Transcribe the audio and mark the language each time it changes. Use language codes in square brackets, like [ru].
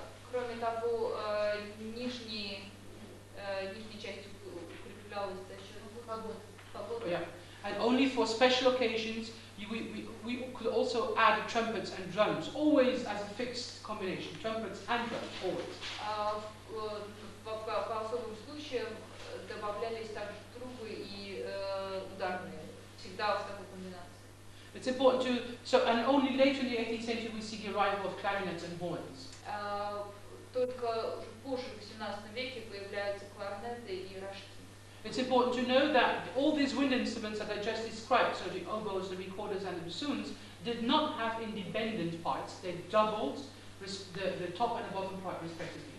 [ru] Кроме того, нижняя часть укреплялась за счет фагота. [en] Yeah. And only for special occasions we could also add trumpets and drums, always as a fixed combination, trumpets and drums, always. [ru] По особым случаям добавлялись также трубы и ударные. Всегда в такой комбинации. [en] It's important to, so, and only later in the 18th century we see the arrival of clarinets and horns. [ru] Только позже, в 18 веке, появляются кларнеты и рожки. [en] It's important to know that all these wind instruments that I just described, so the oboes, the recorders and the bassoons, did not have independent parts, they doubled the top and the bottom part respectively.